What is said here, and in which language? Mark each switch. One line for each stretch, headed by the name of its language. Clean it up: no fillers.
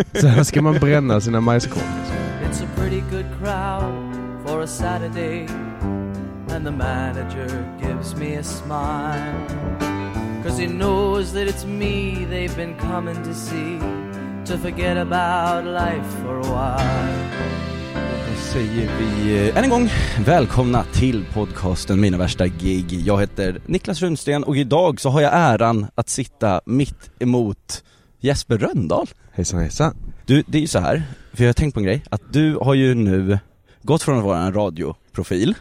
Swedish: Så här ska man bränna sina majskorn.
English: It's a pretty good crowd for a Saturday, and the manager gives me a smile, 'cause he knows that it's me they've been coming to see, to forget about life for a while.
Swedish: Säger vi än en gång välkomna till podcasten Mina värsta gig. Jag heter Niklas Rundsten och idag så har jag äran att sitta mitt emot Jesper Rönndahl. Hejsan, hejsan. Du, det är ju så här, för jag har tänkt på en grej, att du har ju nu gått från att vara en radioprofil.